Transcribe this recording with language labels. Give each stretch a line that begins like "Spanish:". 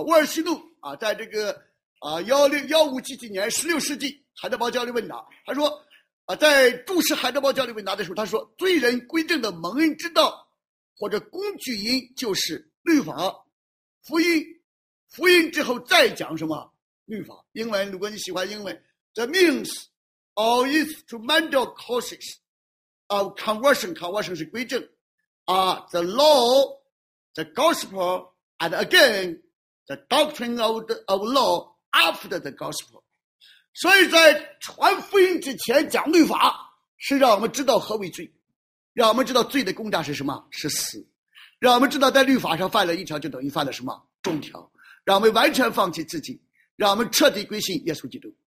Chinese: 沃尔西路啊，在这个啊1615几年16世纪海德堡教理问答，他说啊，在注释海德堡教理问答的时候，他说罪人归正的蒙恩之道或者工具因就是律法、福音，福音之后再讲什么律法。英文如果你喜欢英文
English: ，the means or instrumental causes of conversion
Chinese: 是归正。
English: The law, the gospel, and again, the doctrine of law after the gospel.
Chinese: 所以在传福音之前讲律法，是让我们知道何为罪，让我们知道罪的公价是什么，是死，让我们知道在律法上犯了一条就等于犯了什么重条，让我们完全放弃自己，让我们彻底归信耶稣基督。